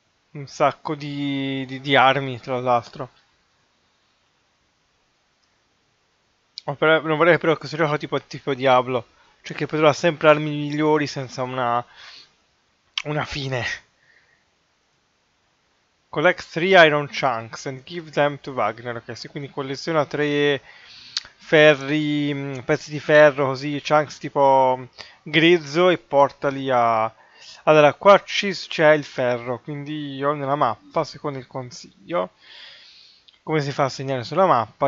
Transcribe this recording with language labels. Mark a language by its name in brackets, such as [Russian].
[Italian] Un sacco di armi, tra l'altro. Non vorrei però che questo gioco tipo Diablo. Cioè che potrò sempre armi migliori senza una fine. [English] Collect 3 iron chunks and give them to Wagner. [Italian] Ok, sì, quindi colleziona 3 ferri, pezzi di ferro, così, chunks tipo grezzo e portali a... Allora, qua c'è il ferro, quindi io nella mappa, secondo il consiglio, come si fa a segnare sulla mappa?